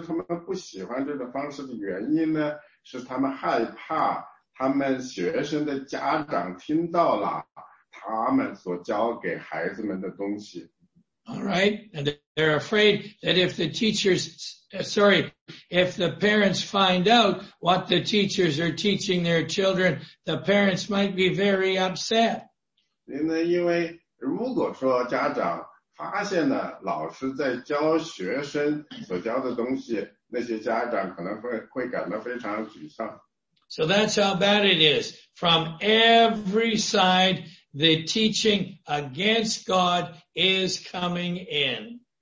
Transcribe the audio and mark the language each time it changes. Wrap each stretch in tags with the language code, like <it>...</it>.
<zh>所以那些教师、老师他们不喜欢这种方式的原因呢, 是他们害怕 他们学生的家长听到了他们所教给孩子们的东西。</zh> <en>All right, and they're afraid that if the teachers, sorry, if the parents find out what the teachers are teaching their children, the parents might be very upset.</en> <zh>因为如果说家长发现了老师在教学生所教的东西，那些家长可能会感到非常沮丧。</zh> <en>So that's how bad it is. From every side, the teaching against God is coming in.</en>